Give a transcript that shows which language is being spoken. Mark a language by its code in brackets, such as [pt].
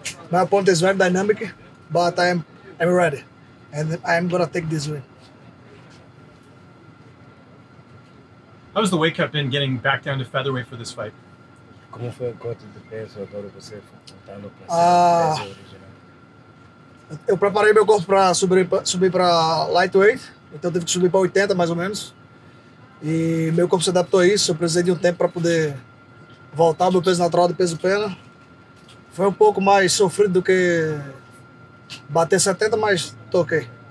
[en] My opponent is very dynamic, but I'm ready. And I'm going to take this win. How has the weight cut been getting back down to featherweight for this fight? [es] Como fue el corte de peso ahora que se fue [pt] contando para Eu preparei meu corpo para subir para lightweight, então tive que subir para 80 mais ou menos. E meu corpo se adaptou a isso, eu precisei de tempo para poder voltar meu peso natural de peso pena. Foi pouco mais sofrido do que bater 70, mas tô ok.